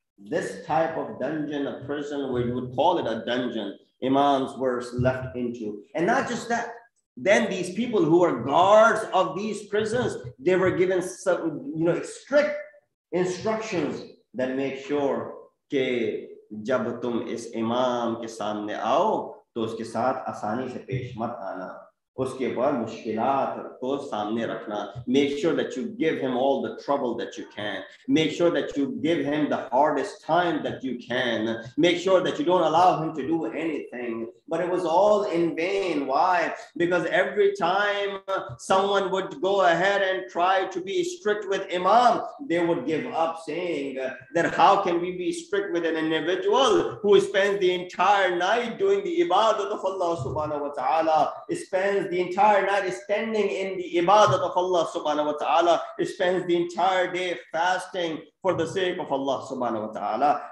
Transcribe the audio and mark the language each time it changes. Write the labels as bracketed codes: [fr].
[en] This type of dungeon, a prison where you would call it a dungeon, Imams were left into. And not just that. Then these people who were guards of these prisons, they were given some, strict instructions that make sure that [ur] تو اس کے ساتھ آسانی سے پیش مت آنا, اس کے بعد مشکلات کو سامنے رکھنا. [en] Make sure that you give him all the trouble that you can. Make sure that you give him the hardest time that you can. Make sure that you don't allow him to do anything. But it was all in vain. Why? Because every time someone would go ahead and try to be strict with Imam, they would give up, saying that how can we be strict with an individual who spends the entire night doing the ibadat of Allah subhanahu wa ta'ala, spends the entire night standing in the ibadat of Allah subhanahu wa ta'ala, spends the entire day fasting for the sake of Allah subhanahu wa ta'ala.